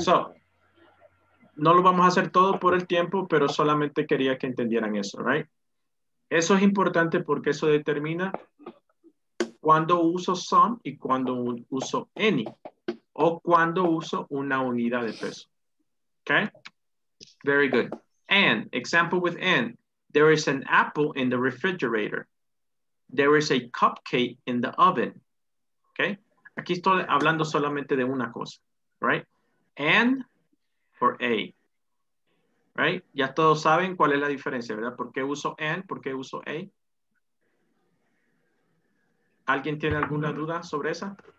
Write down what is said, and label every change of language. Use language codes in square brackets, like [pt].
[es] So, no lo vamos a hacer todo por el tiempo, pero solamente quería que entendieran eso, right? Eso es importante porque eso determina cuando uso some y cuando uso any, o cuando uso una unidad de peso. [en] Okay? Very good. And, example with and, there is an apple in the refrigerator. There is a cupcake in the oven. Okay? [es] Aquí estoy hablando solamente de una cosa, right? [en] And or a, right? [es] Ya todos saben cuál es la diferencia, ¿verdad? ¿Por qué uso and? ¿Por qué uso a? ¿Alguien tiene alguna duda sobre esa?